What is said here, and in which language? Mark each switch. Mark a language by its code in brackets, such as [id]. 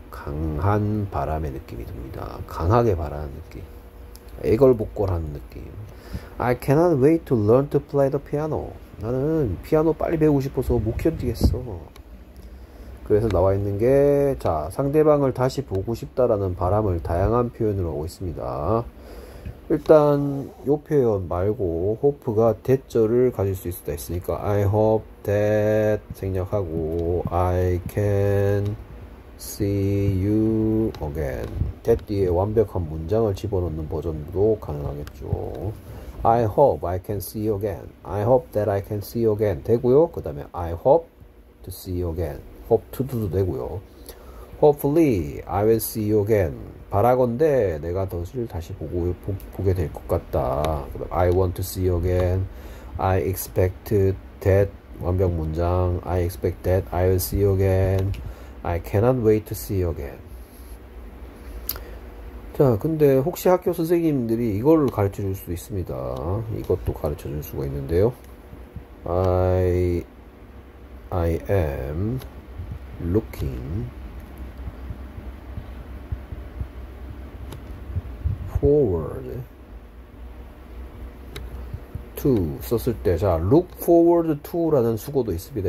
[ko] 강한 바람의 느낌이 듭니다. 강하게 바라는 느낌. 애걸복걸하는 느낌. [en] I cannot wait to learn to play the piano. [ko] 나는 피아노 빨리 배우고 싶어서 못 견디겠어. 그래서 나와 있는 게, 자, 상대방을 다시 보고 싶다라는 바람을 다양한 표현으로 하고 있습니다. 일단, 요 표현 말고, hope가 대절을 가질 수 있다 했으니까, I hope that 생략하고, [en] I can see you again. [ko] that 뒤에 완벽한 문장을 집어넣는 버전도 가능하겠죠. [en] I hope I can see you again. I hope that I can see you again. [ko] 되고요. 그 다음에, [en] I hope to see you again. Hope to do도 되고요. Hopefully, I will see you again. [ko] 바라건대 내가 당신을 다시 보게 될것 같다. [en] I want to see you again. I expect that [ko] 완벽 문장. [en] I expect that I will see you again. I cannot wait to see you again. [ko] 자, 근데 혹시 학교 선생님들이 이걸 가르쳐 줄수 있습니다. 이것도 가르쳐 줄 수가 있는데요. [en] I am looking forward to 썼을 때, 자, look forward to라는 수고도 있습니다.